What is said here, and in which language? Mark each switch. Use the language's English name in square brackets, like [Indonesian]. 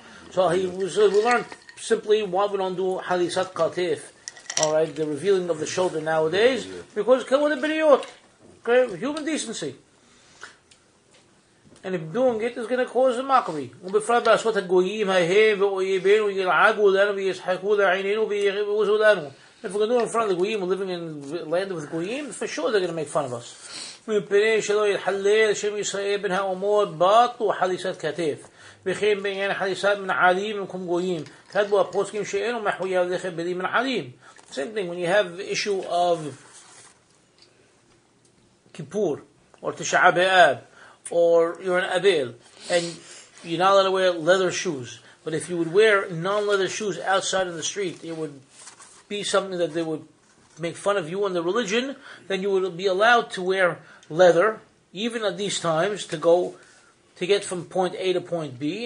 [English] So he learned simply why we don't do halisat katif, all right, the revealing of the shoulder nowadays, because kavod b'riyot, human decency, and if doing it is going to cause a mockery. [Hebrew] ובפרט בעשות הגויים ההם ואויבינו ילעגו לנו וישחקו לעינינו ויבוזו לנו. [English] If we're going to do it in front of the Goyim, we're living in the land of the Goyim, for sure they're going to make fun of us. [Hebrew] מפני שלא יתחלל שם ישראל בין האומות בטו חליסת כתף. וכן בעניין חליסת מנעלים במקום גויים. כתבו הפוסקים שאינו מחויב לכם בלי מנעלים. [English] Same thing, when you have issue of Kippur, or Tisha'a B'Av, or you're an Abel, and you're not allowed to wear leather shoes. But if you would wear non-leather shoes outside in the street, it would be something that they would make fun of you and the religion, then you would be allowed to wear leather, even at these times, to go to get from point A to point B.